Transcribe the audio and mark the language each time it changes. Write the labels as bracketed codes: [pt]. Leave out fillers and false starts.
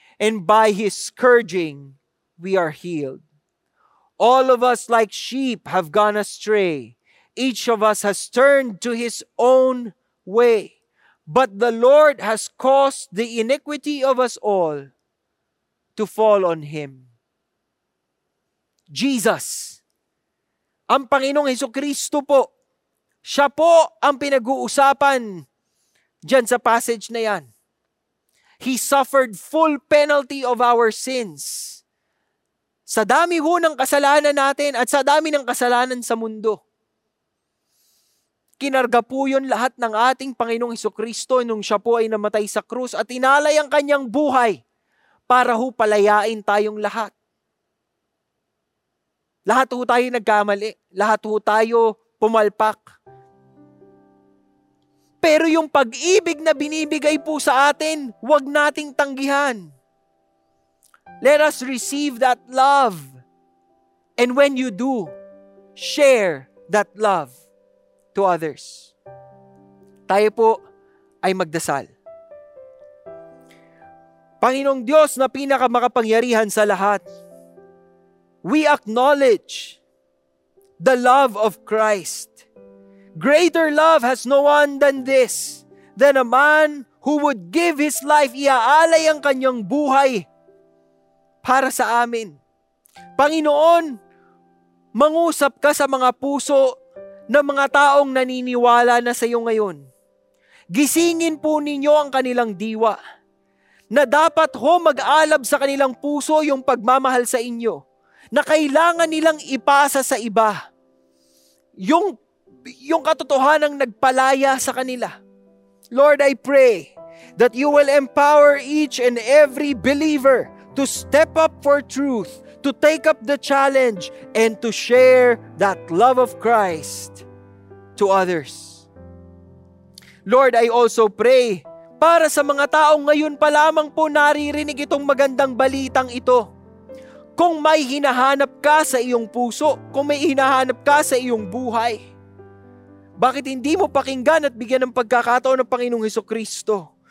[en] And by his scourging, we are healed. All of us like sheep have gone astray. Each of us has turned to his own way. But the Lord has caused the iniquity of us all to fall on him. [tl] Jesus, ang Panginoong Hesukristo po, siya po ang pinag-uusapan dyan sa passage na yan. [en] He suffered full penalty of our sins. [tl] Sa dami ho ng kasalanan natin at sa dami ng kasalanan sa mundo. Kinarga po yun lahat ng ating Panginoong Hesukristo nung siya po ay namatay sa krus at inalay ang kanyang buhay para ho palayain tayong lahat. Lahat ho tayo nagkamali. Lahat ho tayo pumalpak. Pero yung pag-ibig na binibigay po sa atin, huwag nating tanggihan. [en] Let us receive that love. And when you do, share that love to others. [tl] Tayo po ay magdasal. Panginoong Diyos na pinakamakapangyarihan sa lahat, [en] we acknowledge the love of Christ. Greater love has no one than this, than a man who would give his life, [tl] iaalay ang kanyang buhay para sa amin. Panginoon, mangusap ka sa mga puso ng mga taong naniniwala na sa iyo ngayon. Gisingin po ninyo ang kanilang diwa na dapat ho mag-alab sa kanilang puso yung pagmamahal sa inyo. Na kailangan nilang ipasa sa iba yung yung katotohanang nagpalaya sa kanila. [en] Lord, I pray that you will empower each and every believer to step up for truth, to take up the challenge, and to share that love of Christ to others. Lord, I also pray [tl] para sa mga taong ngayon pa lamang po naririnig itong magandang balitang ito. Kung may hinahanap ka sa iyong puso, kung may hinahanap ka sa iyong buhay, bakit hindi mo pakinggan at bigyan ng pagkakataon ng Panginoong Hesukristo?